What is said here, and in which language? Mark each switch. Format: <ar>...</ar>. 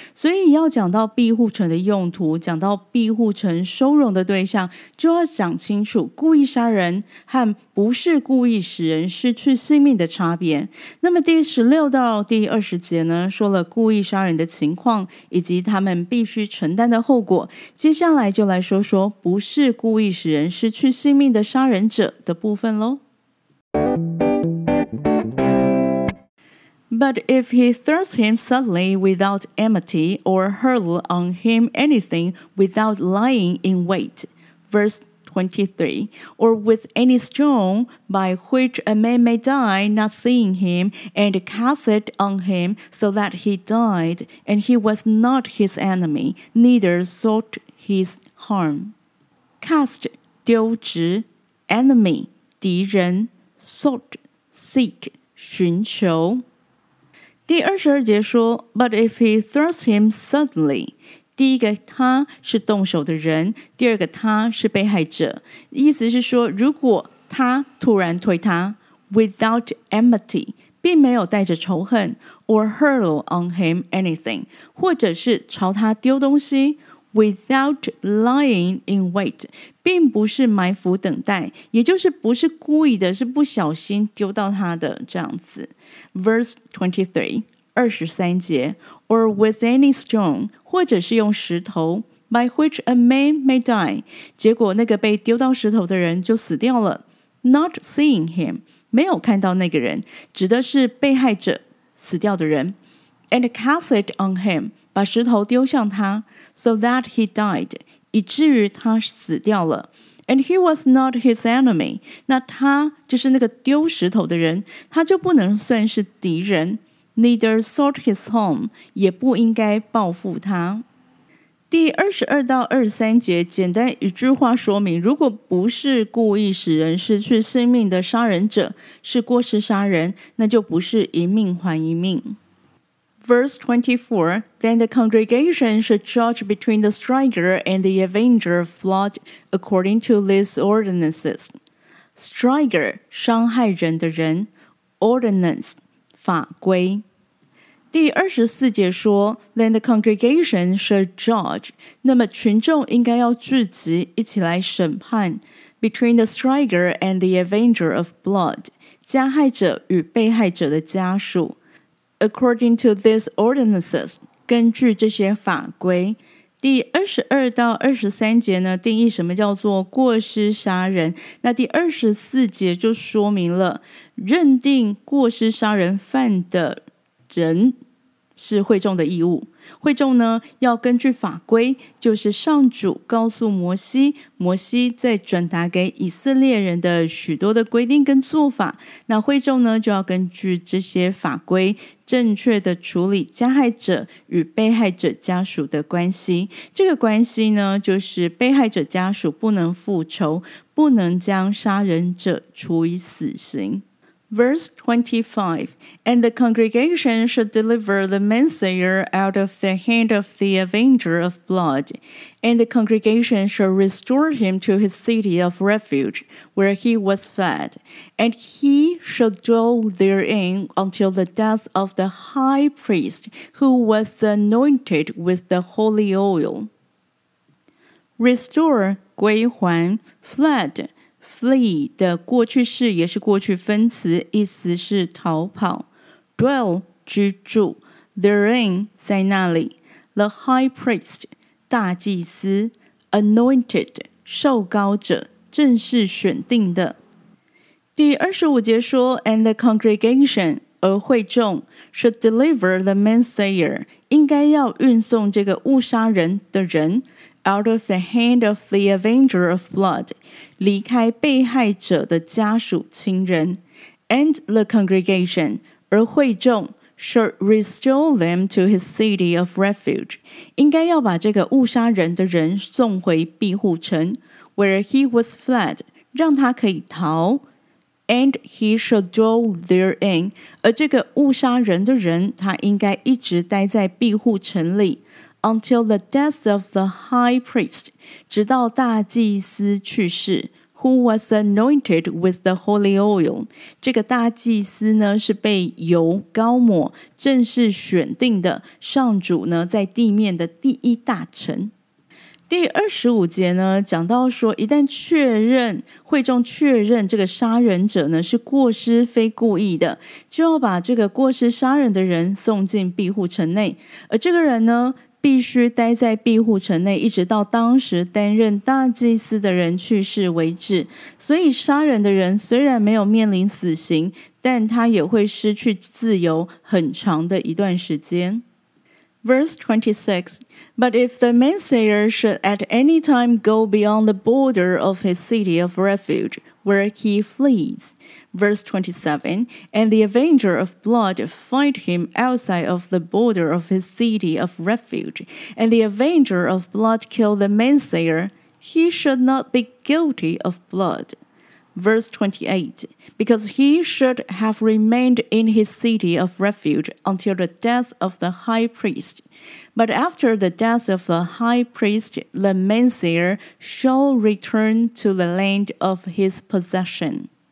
<zh>所以要讲到庇护城的用途，讲到庇护城收容的对象，就要讲清楚故意杀人和不是故意使人失去性命的差别。那么第16到第20节呢，说了故意杀人的情况以及他们必须承担的后果，接下来就来说说不是故意使人失去性命的杀人者的部分咯。</zh> <en>But if he throws him suddenly without enmity or hurl on him anything without lying in wait, verse 23, or with any stone by which a man may die not seeing him and cast it on him so that he died and he was not his enemy, neither sought his harm. Cast, 丢掷, enemy, 敌人, sought, seek, 寻求。</en> <zh>第22节说</zh> <en>But if he throws him suddenly,</en> <zh>第一个他是动手的人，第二个他是被害者，意思是说如果他突然推他</zh> <en>without enmity,</en> <zh>并没有带着仇恨</zh> <en>or hurl on him anything,</en> <zh>或者是朝他丢东西</zh> <en>without lying in wait,</en> <zh>并不是埋伏等待，也就是不是故意的，是不小心丢到他的这样子。 Verse 23, 23节</zh> <en>or with any stone,</en> <zh>或者是用石头</zh> <en>by which a man may die,</en> <zh>结果那个被丢到石头的人就死掉了。</zh> <en>Not seeing him,</en> <zh>没有看到那个人，指的是被害者死掉的人。</zh> <en>And cast it on him,</en> <zh>把石头丢向他</zh> <en>so that he died,</en> <zh>以至于他死掉了。</zh> <en>And he was not his enemy.</en> <zh>那他就是那个丢石头的人，他就不能算是敌人。</zh> <en>Neither sought his home,</en> <zh>也不应该报复他。第22到23节，简单一句话说明，如果不是故意使人失去性命的杀人者，是过失杀人，那就不是一命还一命。</zh> <en>Verse 24, then the congregation should judge between the striker and the avenger of blood according to these ordinances. Striker, 伤害人的人, ordinance, 法规。</en> <zh>第24节说,</zh> <en>then the congregation should judge,</en> <zh>那么群众应该要聚集一起来审判,</zh> <en>between the striker and the avenger of blood,</en> <zh>加害者与被害者的家属。</zh> <en>According to these ordinances,</en> <zh>根据这些法规。第22到23节呢，定义什么叫做过失杀人。那第24节就说明了，认定过失杀人犯的人是会众的义务。会众呢，要根据法规，就是上主告诉摩西，摩西再转达给以色列人的许多的规定跟做法，那会众呢，就要根据这些法规，正确的处理加害者与被害者家属的关系。这个关系呢，就是被害者家属不能复仇，不能将杀人者处以死刑。</zh> <en>Verse 25, and the congregation should deliver the manslayer out of the hand of the avenger of blood, and the congregation shall restore him to his city of refuge, where he was fed, and he shall dwell therein until the death of the high priest who was anointed with the holy oil.</en> <zh>Restore, 归还, fled,Flee 的过去式也是过去分词，意思是逃跑。 Dwell 居住 ，therein 在那里。 The high priest 大祭司 ，anointed 受膏者，正式选定的。第二十五节说 ，</zh> <en>and the congregation</en> <zh>而会众</zh> <en>should deliver the manslayer</en> <zh>应该要运送这个误杀人的人。</zh> <en>Out of the hand of the avenger of blood,</en> <zh>离开被害者的家属亲人</zh> <en>and the congregation,</en> <zh>而会众</zh> <en>should restore them to his city of refuge,</en> <zh>应该要把这个误杀人的人送回庇护城</zh> <en>where he was fled,</en> <zh>让他可以逃</zh> <en>and he should dwell therein,</en> <zh>而这个误杀人的人他应该一直待在庇护城里</zh> <en>Until the death of the high priest,</en> <zh>直到大祭司去世</zh> <en>who was anointed with the holy oil.</en> <zh>这个大祭司呢是被油膏抹正式选定的上主呢在地面的第一大臣。第二十五节呢讲到说一旦确认会众确认这个杀人者呢是过失非故意的就要把这个过失杀人的人送进庇护城内而这个人呢必须待在庇护城内一直到当时担任大祭司的人去世为止所以杀人的人虽然没有面临死刑但他也会失去自由很长的一段时间</zh> <en>Verse 26 But if the manslayer should at any time go beyond the border of his city of refuge where he fleesVerse 27, and the avenger of blood find him outside of the border of his city of refuge, and the avenger of blood kill the manslayer, he should not be guilty of blood. Verse 28, because he should have remained in his city of refuge until the death of the high priest. But after the death of the high priest, the manslayer shall return to the land of his possession.</en>